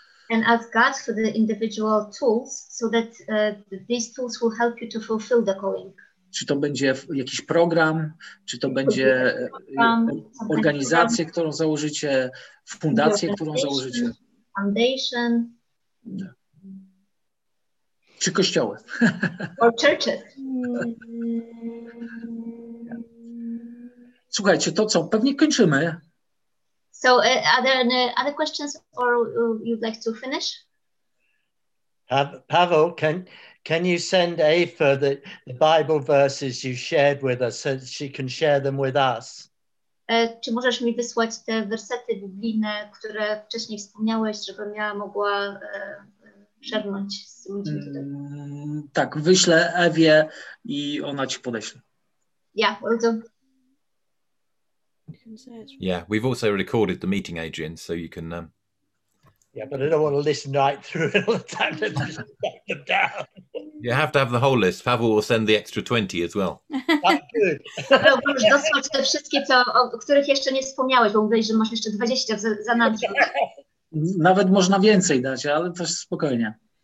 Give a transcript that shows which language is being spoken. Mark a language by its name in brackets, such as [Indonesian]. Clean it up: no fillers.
[English] And ask God for the individual tools, so that these tools will help you to fulfill the calling. [Polish] Czy to będzie jakiś program, czy to będzie organizację, którą założycie, fundację, którą założycie. [English] Foundation. [Polish] Czy kościoły. [English] Or churches. [Polish] Słuchajcie, to co, pewnie kończymy. [English] So are there any other questions or you'd like to finish? Paweł, can you send Afa the Bible verses you shared with us so she can share them with us? [Polish] Czy możesz mi wysłać te wersety biblijne, które wcześniej wspomniałeś, żebym ja mogła szernąć z ludźmi tutaj? Tak, wyślę Ewie i ona ci podeśle. [English] Yeah, we'll do. Yeah, we've also recorded the meeting, Adrian, so you can... Yeah, but I don't want to listen right through it all the time to write them down. You have to have the whole list. Pavel will send the extra 20 as well. That's good. [Polish] Możesz dostać te wszystkie, o których jeszcze nie wspomniałeś, bo mówiłeś, że masz jeszcze 20 za nadrzut. Nawet można więcej dać, ale też spokojnie.